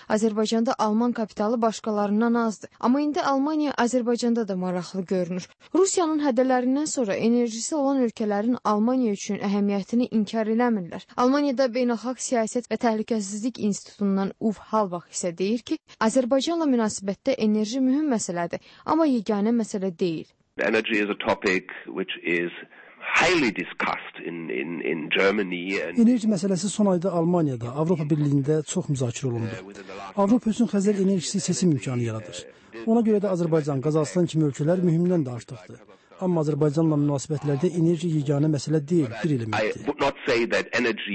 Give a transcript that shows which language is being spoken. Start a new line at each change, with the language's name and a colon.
Azerbaijani: Azərbaycanda Alman kapitalı başqalarından azdır. Amma indi Almaniya Azərbaycanda da maraqlı görünür. Rusiyanın hədələrindən sonra enerjisi olan ölkələrin Almaniya üçün əhəmiyyətini inkar eləmirlər. Almaniyada Beynəlxalq Siyasət və Təhlükəsizlik İnstitutundan Uf Halbach isə deyir ki, Azərbaycanla münasibətdə enerji mühüm məsələdir, amma yeganə məsələ deyil.
English: Energy is a topic which is highly discussed in Germany and
Azerbaijani: Enerji məsələsi son ayda Almaniyada, Avropa Birliyində çox müzakirə olundu. Avropa üçün xəzər enerjisi seçim imkanı yaradır. Ona görə də Azərbaycan, Qazaxıstan kimi ölkələr mühümdən də artıqdır. Amma Azərbaycanla münasibətlərdə enerji yeganə məsələ deyil, bir elementdir.